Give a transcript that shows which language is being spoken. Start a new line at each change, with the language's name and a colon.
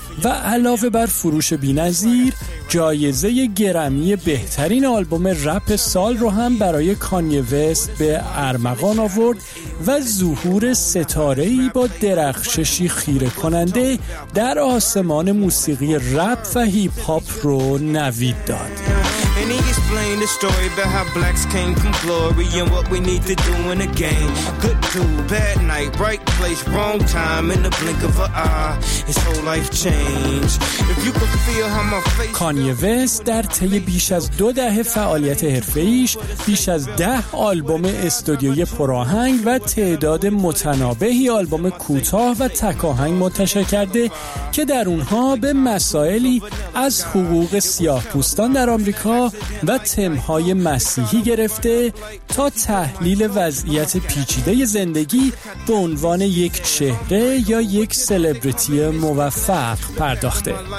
Persian: و علاوه بر فروش بی‌نظیر جایزه گرمی بهترین آلبوم رپ سال رو هم برای کانیه وست به ارمغان آورد و ظهور ستاره‌ای با درخششی خیره کننده در آسمان موسیقی رپ و هیپ هاپ رو نوید داد.
English: And he explained the story about how blacks came from glory and what we need to do in a game. Good tool, bad night, right place, wrong time. In the blink of an eye, his whole life changed. If you could feel how my face...
Persian: کانیه وست در طی بیش از دو دهه فعالیت حرفه‌ایش بیش از 10 آلبوم استودیویی پرآهنگ و تعداد متنابهی آلبوم کوتاه و تک آهنگ منتشر کرده که در اونها به مسائلی از حقوق سیاه‌پوستان در آمریکا و تم‌های مسیحی گرفته تا تحلیل وضعیت پیچیده زندگی به عنوان یک چهره یا یک سلبریتی موفق پرداخته.